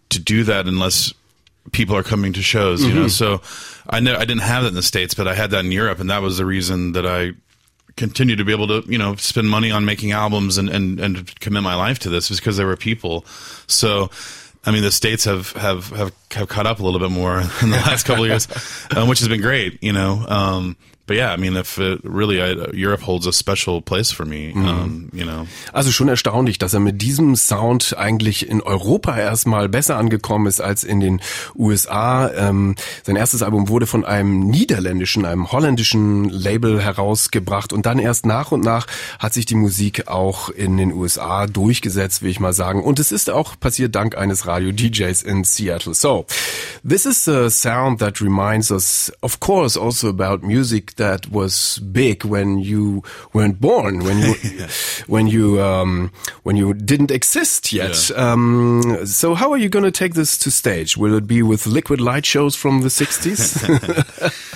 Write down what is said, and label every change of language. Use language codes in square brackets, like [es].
[en] to do that unless people are coming to shows, you know? So I didn't have that in the States, but I had that in Europe, and that was the reason that I continue to be able to, you know, spend money on making albums and commit my life to this, is because there were people. So, I mean, the States have caught up a little bit more in the last couple of years, which has been great, you know? But yeah, I mean, Europe holds a special place for me, you know. [de] Also schon erstaunlich, dass er mit diesem Sound eigentlich in Europa erstmal besser angekommen ist als in den USA. Sein erstes Album wurde von einem holländischen Label herausgebracht und dann erst nach und nach hat sich die Musik auch in den USA durchgesetzt, will ich mal sagen. Und es ist auch passiert dank eines Radio-DJs in Seattle. [en] So, this is a sound that reminds us, of course, also about music that was big when you weren't born, when you when you didn't exist yet. Yeah. So how are you going to take this to stage? Will it be with liquid light shows from the 60s?